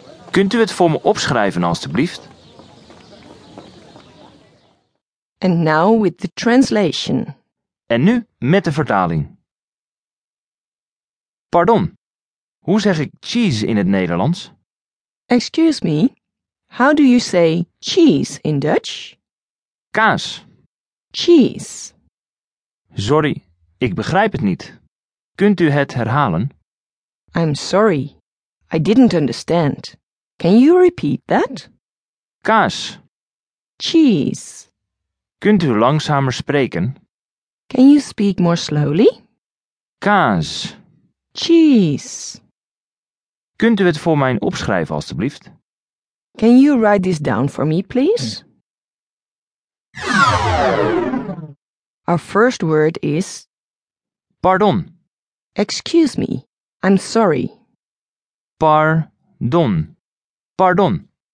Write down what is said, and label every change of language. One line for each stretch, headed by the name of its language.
Dutch: Kunt u het voor me opschrijven, alstublieft?
English: And now with the translation.
Dutch: En nu met de vertaling. Pardon, hoe zeg ik cheese in het Nederlands?
English: Excuse me, how do you say cheese in Dutch?
Dutch: Kaas.
English: Cheese.
Dutch: Sorry, ik begrijp het niet. Kunt u het herhalen?
English: I'm sorry, I didn't understand. Can you repeat that?
Dutch: Kaas.
English: Cheese.
Dutch: Kunt u langzamer spreken?
English: Can you speak more slowly?
Dutch: Kaas.
English: Cheese.
Dutch: Kunt u het voor mij opschrijven, alstublieft?
English: Can you write this down for me, please? Our first word is...
Dutch: Pardon.
English: Excuse me, I'm sorry.
Dutch: Pardon. Pardon.